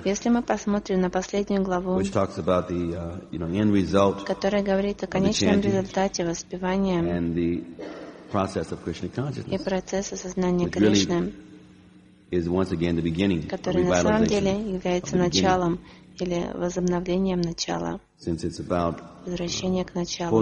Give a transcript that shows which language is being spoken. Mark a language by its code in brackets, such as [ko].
[ru] если мы посмотрим на последнюю главу, [en] which talks about the, you know, end result, [ru] которая говорит о конечном результате воспевания, [en] and the process of Krishna consciousness, [ru] и процесс осознания Кришны, [en] is once again the beginning, [ru] который на самом деле является началом или возобновлением начала, [en] since it's about, [ru] возвращение к началу,